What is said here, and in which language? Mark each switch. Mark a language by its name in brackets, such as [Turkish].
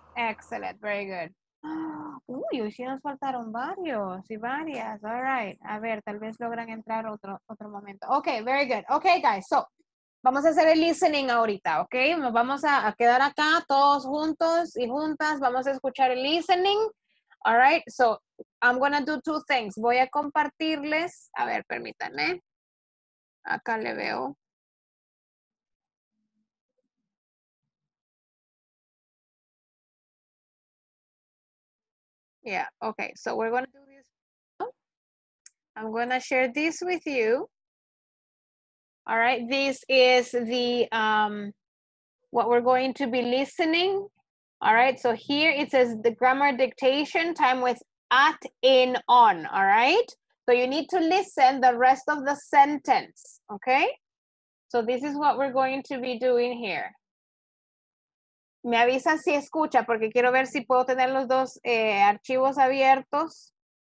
[English] Excellent, very good. [Spanish] Uy, hoy sí nos faltaron varios y varias. [English] All right. [Spanish] A ver, tal vez logran entrar otro momento. [English] Ok, very good. Ok, guys, so [Spanish] vamos a hacer el listening ahorita, ok. Nos vamos a quedar acá todos juntos y juntas. Vamos a escuchar el listening. [English] All right, so I'm going to do two things. [Spanish] Voy a compartirles. A ver, permítanme. Acá le veo. [English] Yeah, okay, so we're going to do this. I'm going to share this with you. All right, this is the what we're going to be listening. All right, so here it says the grammar dictation time with at, in, on. All right, so you need to listen the rest of the sentence. Okay, so this is what we're going to be doing here. [Spanish] Me avisa si escucha, porque quiero ver si puedo tener los dos archivos abiertos.